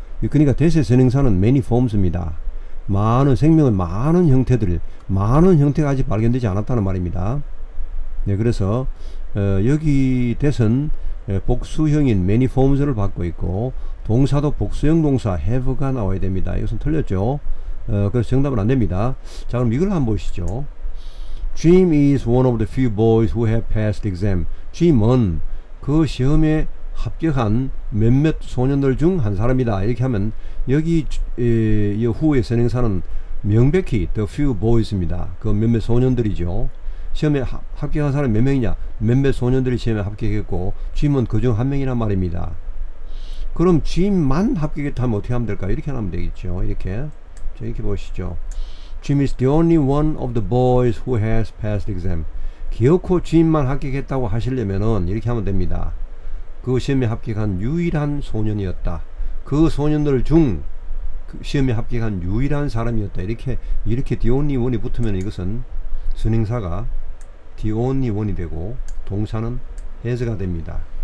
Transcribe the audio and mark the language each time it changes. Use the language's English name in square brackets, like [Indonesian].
[Korean] 그러니까 대세 선행사는 many forms입니다. 많은 생명은 많은 형태들, 많은 형태가 아직 발견되지 않았다는 말입니다. 네, 그래서 여기 대선 복수형인 [English] many forms [Korean] 를 받고 있고 동사도 복수형 동사 have가 나와야 됩니다. 이것은 틀렸죠. 그래서 정답은 안 됩니다. 자, 그럼 이걸 한번 보시죠. [English] Jim is one of the few boys who have passed exam. [Korean] Jim은 그 시험에 합격한 몇몇 소년들 중 한 사람이다. 이렇게 하면 여기 이 후의 선행사는 명백히 [English] the few boys [Korean] 입니다. 그 몇몇 소년들이죠. 시험에 합격한 사람이 몇 명이냐? 몇몇 소년들이 시험에 합격했고 Jim은 그중 한 명이란 말입니다. 그럼 Jim만 합격했다면 어떻게 하면 될까요? 이렇게 하면 되겠죠. 이렇게. 자, 이렇게 보시죠. [English] Jim is the only one of the boys who has passed exam. [Korean] 기어코 Jim만 합격했다고 하시려면은 이렇게 하면 됩니다. 그 시험에 합격한 유일한 소년이었다. 그 소년들 중 그 시험에 합격한 유일한 사람이었다. 이렇게 [English] the only one [Korean] 이 붙으면 이것은 선행사가 the only one이 되고 동사는 has가 됩니다.